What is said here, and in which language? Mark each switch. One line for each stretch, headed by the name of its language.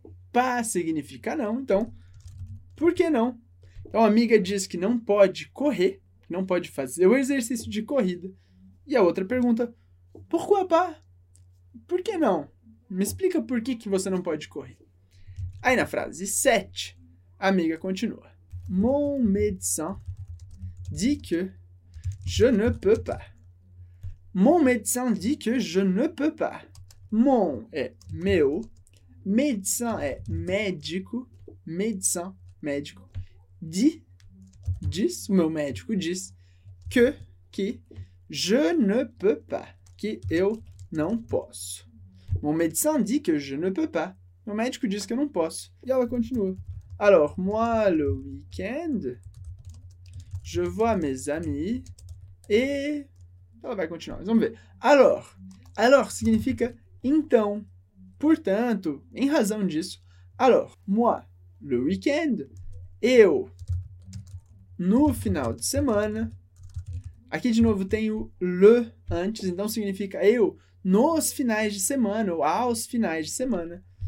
Portuguese: Pa significa não, então. Por que não? Então, a amiga diz que não pode correr, não pode fazer o exercício de corrida. E a outra pergunta, por que pa? Por que não? Me explica por que, que você não pode correr. Aí, na frase 7, a amiga continua.
French: Mon médecin dit que je ne peux pas. Mon médecin dit que je ne peux pas.
Portuguese: Mon é meu. Médecin é médico. Médecin, médico. Diz, o meu médico diz,
French: que je ne peux pas.
Portuguese: Que eu não posso.
French: Mon médecin dit que je ne peux pas.
Portuguese: Meu médico diz que eu não posso. E ela continua.
French: Alors, moi, le week-end, je vois mes amis et...
Portuguese: Ela vai continuar, mas vamos ver. Alors. Alors significa então. Portanto, em razão disso.
French: Alors, moi, le week-end,
Portuguese: eu, no final de semana. Aqui, de novo, tem o le antes, então significa eu, nos finais de semana, ou aos finais de semana.